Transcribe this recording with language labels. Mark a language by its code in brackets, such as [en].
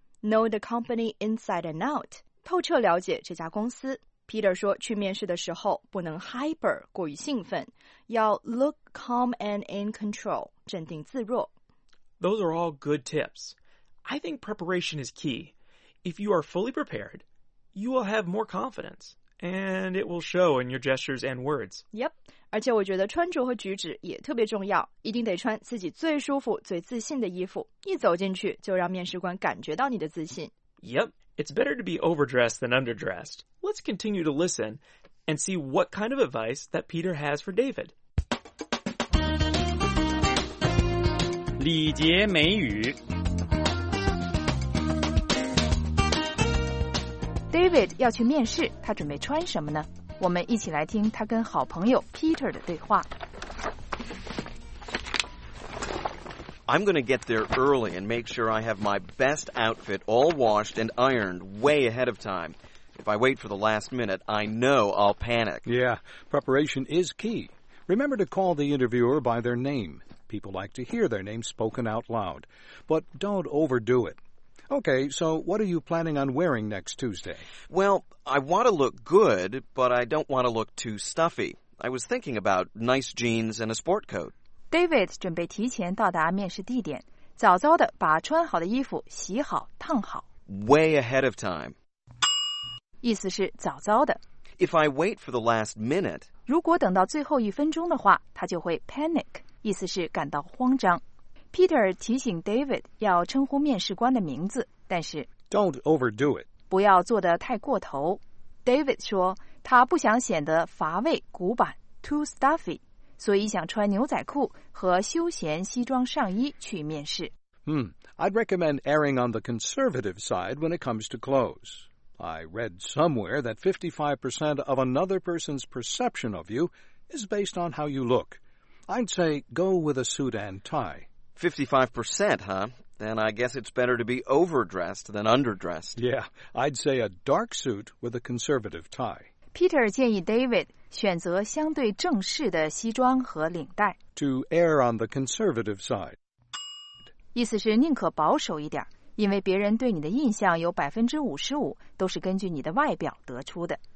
[en] Know the company inside and out. [zh] 透彻了解这家公司 Peter 说去面试的时候不能 hyper 过于兴奋要 [en] look calm and in control [zh] 镇定自若 [en] Those are all good tips I think preparation is key If you are fully prepared You will have more confidence And it will show in your gestures and words [zh] Yep 而且我觉得穿着和举止也特别重要一定得穿自己最舒服最自信的衣服一走进去就让面试官感觉到你的自信 [en] YepIt's better to be overdressed than underdressed. Let's continue to listen and see what kind of advice that Peter has for David. [zh] 礼节美语 David 要去面试,他准备穿什么呢?我们一起来听他跟好朋友 Peter 的对话。 [en] I'm going to get there early and make sure I have my best outfit all washed and ironed way ahead of time. If I wait for the last minute, I know I'll panic. Yeah, preparation is key. Remember to call the interviewer by their name. People like to hear their name spoken out loud. But don't overdo it. Okay, so what are you planning on wearing next Tuesday? Well, I want to look good, but I don't want to look too stuffy. I was thinking about nice jeans and a sport coat. [zh] David 准备提前到达面试地点，早早地把穿好的衣服洗好、烫好。 [en] Way ahead of time. [zh] 意思是早早的。 [en] If I wait for the last minute, [zh] 如果等到最后一分钟的话，他就会 panic, 意思是感到慌张。 Peter 提醒 David 要称呼面试官的名字，但是 [en] Don't overdo it. [zh] 不要做得太过头。David 说他不想显得乏味、古板 ,too stuffy。所以想穿牛仔裤和休闲西装上衣去面试。 [en] I'd recommend erring on the conservative side when it comes to clothes. I read somewhere that 55% of another person's perception of you is based on how you look. I'd say go with a suit and tie. 55%, huh? Then I guess it's better to be overdressed than underdressed. Yeah, I'd say a dark suit with a conservative tie. [zh] Peter 建议 David... 选择相对正式的西装和领带。 [en] To err on the conservative side. [zh] 意思是宁可保守一点，因为别人对你的印象有55%都是根据你的外表得出的。